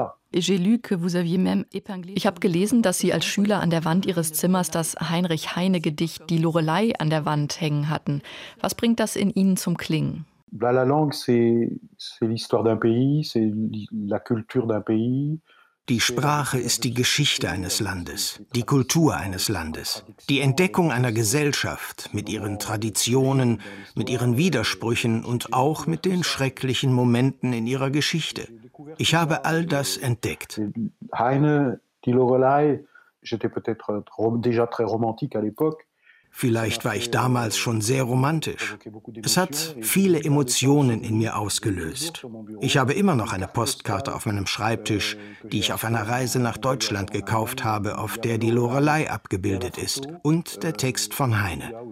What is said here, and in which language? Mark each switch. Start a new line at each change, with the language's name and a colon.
German: Ich habe gelesen, dass Sie als Schüler an der Wand Ihres Zimmers das Heinrich-Heine-Gedicht »Die Lorelei« an der Wand hängen hatten. Was bringt das in Ihnen zum Klingen?
French: La langue, c'est l'histoire d'un pays, c'est la culture d'un pays.
German: Die Sprache ist die Geschichte eines Landes, die Kultur eines Landes, die Entdeckung einer Gesellschaft mit ihren Traditionen, mit ihren Widersprüchen und auch mit den schrecklichen Momenten in ihrer Geschichte. Ich habe all das entdeckt.
French: Heine, die Lorelei, j'étais peut-être déjà très romantique à l'époque.
German: Vielleicht war ich damals schon sehr romantisch. Es hat viele Emotionen in mir ausgelöst. Ich habe immer noch eine Postkarte auf meinem Schreibtisch, die ich auf einer Reise nach Deutschland gekauft habe, auf der die Lorelei abgebildet ist und der Text von Heine.